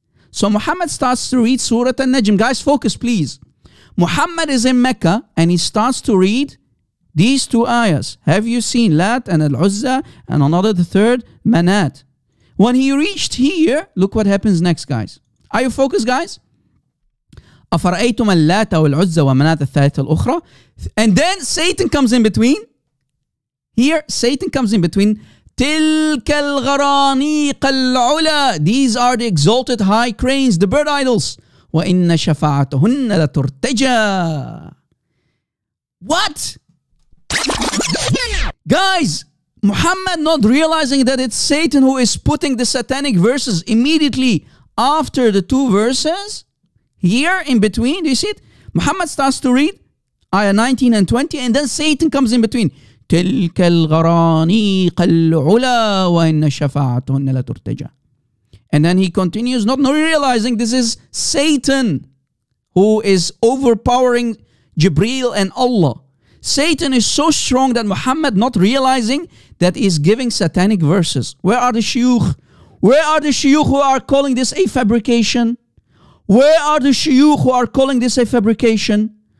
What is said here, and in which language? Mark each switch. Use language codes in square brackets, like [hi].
[en] So Muhammad starts to read Surah Al-Najm. Guys, focus, please. Muhammad is in Mecca, and he starts to read these two ayahs. Have you seen Lat and Al-Uzza and another, the third, Manat? When he reached here, look what happens next, guys. Are you focused, guys? [ar] أفرأيتم اللات والعزة ومنات الثالثة الأخرى. [en] And then Satan comes in between. Here Satan comes in between. [ar] تلك الغرانيق العلا. [en] These are the exalted high cranes, the bird idols. [ar] وإن شفاعتهن لترتجى. [en] What? Guys, Muhammad not realizing that it's Satan who is putting the satanic verses immediately after the two verses. Here in between, do you see it? Muhammad starts to read ayah 19 and 20 and then Satan comes in between. [ar] تلك الغرانيق العلا وإن شفاعتهن لترتجى. [en] And then he continues, not realizing this is Satan who is overpowering Jibreel and Allah. Satan is so strong that Muhammad, not realizing that, is giving satanic verses. Where are the shuyukh? Where are the shuyukh who are calling this a fabrication? Where are the shuyukh who are calling this a fabrication?